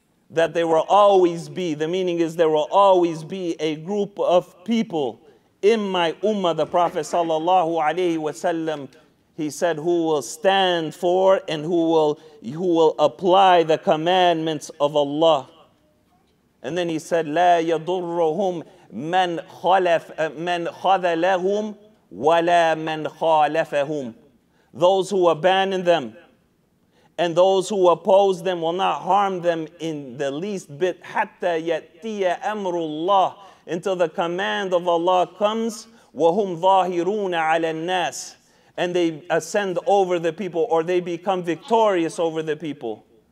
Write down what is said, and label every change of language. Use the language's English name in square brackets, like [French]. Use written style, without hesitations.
[English] That there will always be, the meaning is there will always be a group of people in my ummah, the Prophet sallallahu alayhi wasallam, he said, who will stand for and who will apply the commandments of Allah. And then he said, [Arabic] لا يضرهم من خلف من خذلهم ولا من خالفهم. [English] Those who abandon them and those who oppose them will not harm them in the least bit. [Arabic] Hatta yatiya amrullah, [English] until the command of Allah comes. [Arabic] Wahum zahiruna ala nas, [English] and they ascend over the people, or they become victorious over the people.